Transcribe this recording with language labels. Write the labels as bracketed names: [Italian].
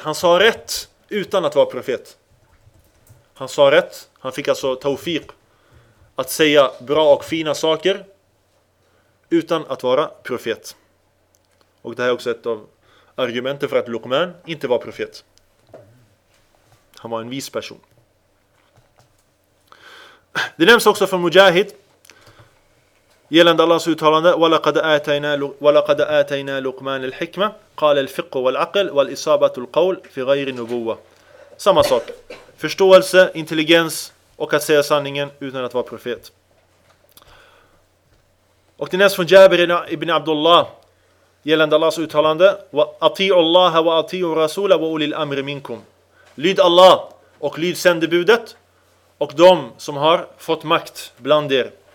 [Swedish] Han sa rätt utan att vara profet. Han sa rätt, han fick alltså tawfiq att säga bra och fina saker utan att vara profet. Och det här är också ett av argumenten för att Luqman inte var profet. Han var en vis person. Det nämns också från Mujahid gällande Allahs uttalande [Arabic] وَلَقَدْ آتَيْنَا لُقْمَانِ الْحِكْمَةِ قَالَ الْفِقْهُ وَالْعَقْلِ وَالْإِصَابَةُ الْقَوْلِ فِي غَيْرِ نُبُوَّةِ. [Swedish] Samma sak. Förståelse, intelligens och att säga sanningen utan att vara profet. Och det nämns från Jabir ibn Abdullah gällande Allahs uttalande [Arabic] وَأَطِيعُ اللَّهَ وَأَطِيعُ رَسُولَ وَأُولِي الْأَمْرِ مِنْكُمْ. [Swedish] Lyd Allah och lyd sändebudet och de som har fått makt bland er.